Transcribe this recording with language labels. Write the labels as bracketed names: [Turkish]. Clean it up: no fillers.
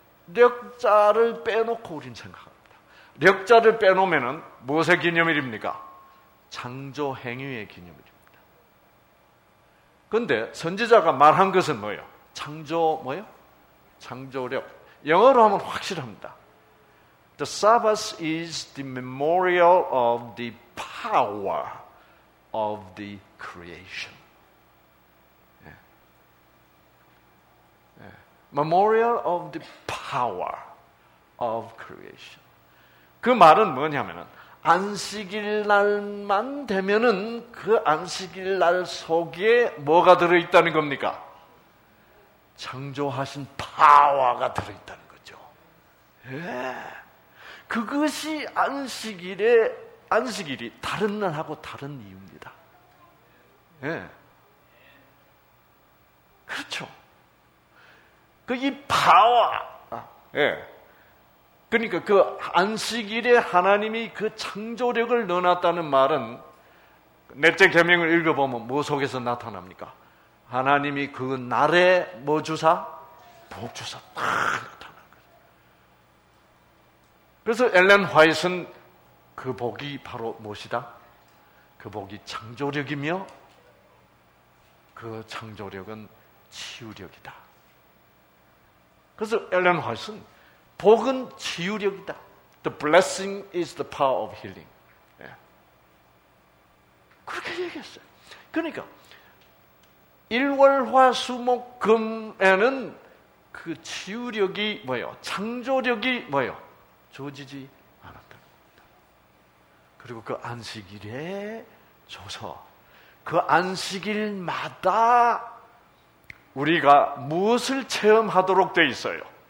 [Korean] 력자를 빼놓고 우린 생각합니다. 력자를 빼놓으면 무엇의 기념일입니까? 창조 행위의 기념일입니다. 그런데 선지자가 말한 것은 뭐예요? 창조 뭐예요? 창조력. 영어로 하면 확실합니다. [English] The Sabbath is the memorial of the power of the creation. Memorial of the power of creation. [Korean] 그 말은 뭐냐면은 안식일 날만 되면은 그 안식일 날 속에 뭐가 들어 있다는 겁니까? 창조하신 파워가 들어 있다는 거죠. 예. 그것이 안식일이 다른 날하고 다른 이유입니다. 예. 그렇죠. 그 이 파워, 예. 그러니까 그 안식일에 하나님이 그 창조력을 넣어놨다는 말은 넷째 계명을 읽어보면 뭐 속에서 나타납니까? 하나님이 그 날에 뭐 주사? 복 주사. 그래서 엘렌 화이트는 그 복이 바로 무엇이다? 그 복이 창조력이며 그 창조력은 치유력이다. 그래서 엘렌 화이트는 복은 치유력이다. [English] The blessing is the power of healing. [Korean] 예. 그렇게 얘기했어요. 그러니까 1월 화 수목 금에는 그 치유력이 뭐예요? 창조력이 뭐예요? 주어지지 않았다는 겁니다. 그리고 그 안식일에 줘서 그 안식일마다 우리가 무엇을 체험하도록 돼 있어요?